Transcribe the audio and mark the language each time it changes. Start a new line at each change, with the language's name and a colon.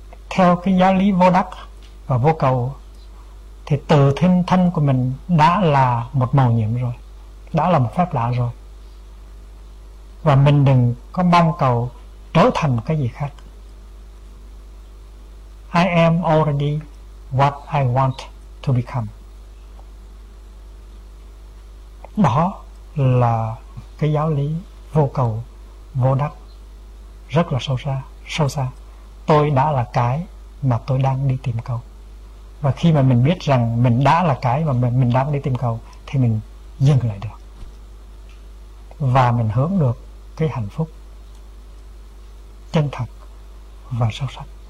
Vietnamese: Theo cái giáo lý vô đắc và vô cầu thì tự thân thân của mình đã là một màu nhiệm rồi, đã là một phép lạ rồi. Và mình đừng có mong cầu trở thành cái gì khác.
English: I am already what I want to become.
Vietnamese: Đó là cái giáo lý vô cầu vô đắc rất là sâu xa, sâu xa. Tôi đã là cái mà tôi đang đi tìm cầu. Và khi mà mình biết rằng mình đã là cái mà mình đang đi tìm cầu thì mình dừng lại được, và mình hướng được cái hạnh phúc chân thật và sâu sắc.